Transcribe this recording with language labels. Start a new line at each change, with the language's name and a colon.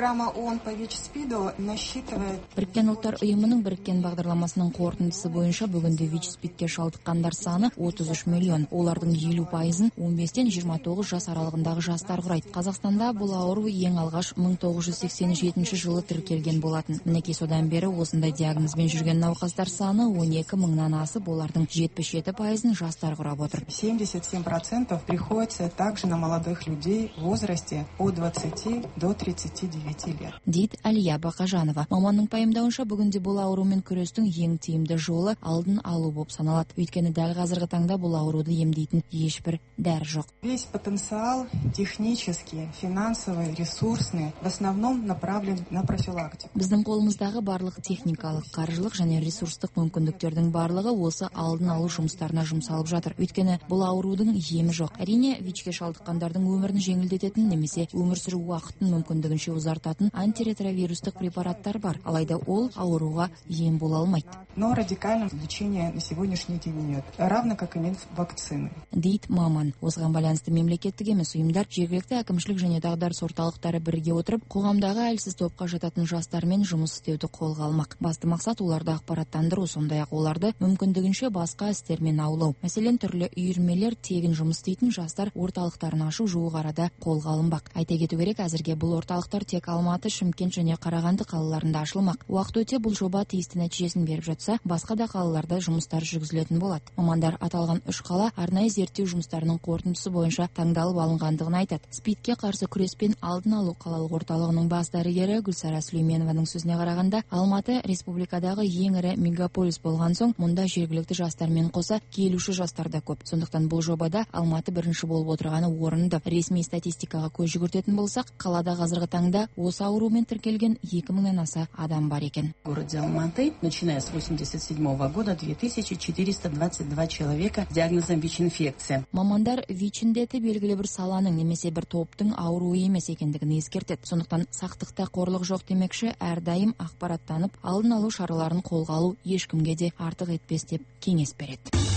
Kazakh: Біріккен Ұлттар ұйымының біріккен бағдарламасының қорытындысы бойынша бүгінде ВИЧ СПИДке шалдыққандар саны 33 миллион. Олардың 50% 15-тен 29 жас аралығындағы жастар құрайды. Қазақстанда бұл ауру ең алғаш 1987 жылы тіркелген болатын. Мінекей содан бері осындай диагнозбен жүрген науқастар саны 12 мыңнан асып, олардың 77% жастар құрап отыр.
Russian: 77% приходится также на молодых людей в возрасте от 20 до 39 лет.
Kazakh: Дейді Әлия Бақажанова. Маманның пайымдауынша бүгінде бұл аурумен күрестің ең тиімді жолы алдын алу болып саналады. Өйткені дәл қазіргі таңда бұл ауруды емдейтін ешбір дәрі жоқ.
Russian: Весь потенциал технический, финансовый, ресурсный, в основном направлен на профилактику.
Kazakh: Біздің қолымыздағы барлық техникалық, қаржылық және ресурстық мүмкіндіктердің барлығы осы алдын алу жұмыстарына жұмсалып жатыр. Өйткені бұл аурудың емі жоқ. Әрине, ВИЧ-ке шалдыққандардың өмірін жеңілдететін немесе өмір сүру уақытын мүмкіндігінше ұзартатын антиретровирустық препараттар бар. Алайда ол ауруға ем бола алмайды.
Russian: Но радикально лечения на сегодняшний день нет, равно как и нет вакцины.
Kazakh: Дейт маман. Осыған байланысты мемлекеттік емес ұйымдар, жергілікті әкімшілік және дағдарыс орталықтары бірге отырып, қоғам тұрмыстағы әлсіз топқа жататын жастармен жұмыс істеуді қолға алмақ. Басты мақсат оларды ақпараттандыру, сондай-ақ оларды мүмкіндігінше басқа істермен аулау. Мәселен, түрлі үйірмелер, тегін жұмыс істейтін жастар орталықтарын ашу жуық арада қолға алынбақ. Айта кету керек, әзірге бұл орталықтар тек Алматы, Шымкент және Қарағанды қалаларында ашылмақ. Уақыт өте бұл жоба тиісті нәтижесін беріп жатса, басқа да қалаларда жұмыстар жүргізілетін болады. Мамандар аталған 3 қала арнайы зерттеу жұмыстарының қорытындысы бойынша таңдалып алынғандығын айтады. СПИДке қарсы күреспен алдын алу қалалық орталығының бас дәрігері Гүлсара Сүлейменованың сөзіне қарағанда, Алматы республикадағы ең ірі мегаполис болған соң, мұнда жергілікті жастармен қоса келуші жастар да көп. Сондықтан бұл жобада Алматы бірінші болып отырғаны орынды. Ресми статистикаға көз жүгіртетін болсақ, қалада қазіргі таңда осы аурумен тіркелген 2000-ден аса адам бар екен.
Russian: Городе Алматы, начиная с 87 года, 2422 человека с диагнозом ВИЧ-инфекция.
Kazakh: Мамандар ВИЧ-індеті белгілі бір саланың немесе бір топтың ауруы емес екендігін ескертеді. Сондықтан сақтықта қорлық жоқ демекші, әрдайым ақпараттанып, алдын алу шараларын қолға алу ешкімге де артық етпес деп кеңес береді.